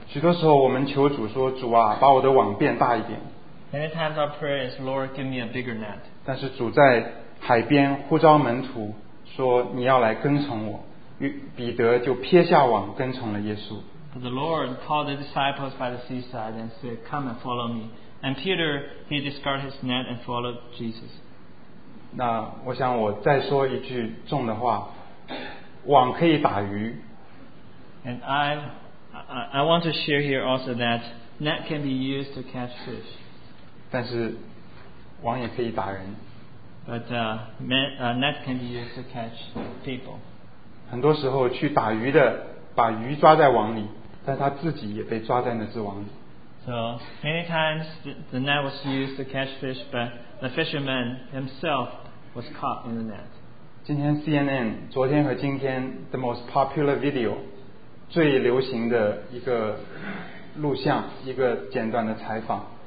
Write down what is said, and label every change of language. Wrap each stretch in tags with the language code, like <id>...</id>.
<zh>许多时候我们求主说，主啊，把我的网变大一点。</zh> <en>Many times our prayer is, Lord, give me a bigger net.</en> <zh>但是主在海边呼召门徒说你要来跟从我，彼得就撇下网跟从了耶稣。</zh> <en>But the Lord called the disciples by the seaside and said, come and follow me. And Peter, he discarded his net and followed Jesus.</en> <zh>那我想我再说一句重的话，网可以打鱼。</zh> <en>And I want to share here also that net can be used to catch fish.</en> <zh>但是网也可以打人。</zh> <en>But net can be used to catch people.</en> <zh>很多时候去打鱼的把鱼抓在网里，但他自己也被抓在那只网里。</zh> <en>So many times the net was used to catch fish, but the fisherman himself was caught in the net.</en> <zh>今天 CNN 昨天和今天</zh> <en>the most popular video</en> <zh>最流行的一个录像一个简短的采访。</zh>